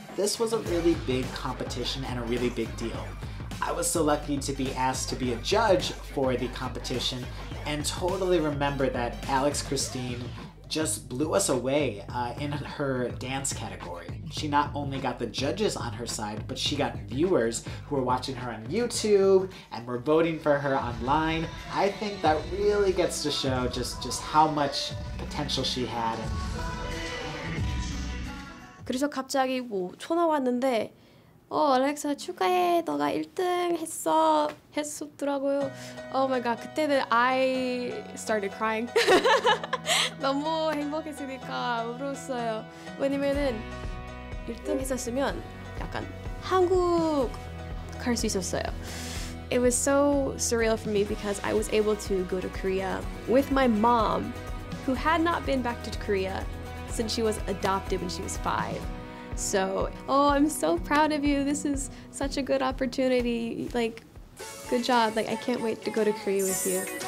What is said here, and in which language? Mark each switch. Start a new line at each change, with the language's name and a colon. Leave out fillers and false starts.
English: This was a really big competition and a really big deal. I was so lucky to be asked to be a judge for the competition and totally remember that Alex Christine just blew us away in her dance category. She not only got the judges on her side, but she got viewers who were watching her on YouTube and were voting for her online. I think that really gets to show just how much potential she had.
Korean: 그래서 갑자기 뭐 전화 왔는데 알렉사 축하해 너가 1등 했어 했었더라고요.
English: Oh my god, 그때는 I started crying.
Korean: 너무 행복했으니까 울었어요. 왜냐면은 1등 했었으면 약간 한국 갈 수 있었어요.
English: It was so surreal for me because I was able to go to Korea with my mom, who had not been back to Korea since she was adopted when she was 5. So, I'm so proud of you. This is such a good opportunity. Like, good job. Like, I can't wait to go to Korea with you.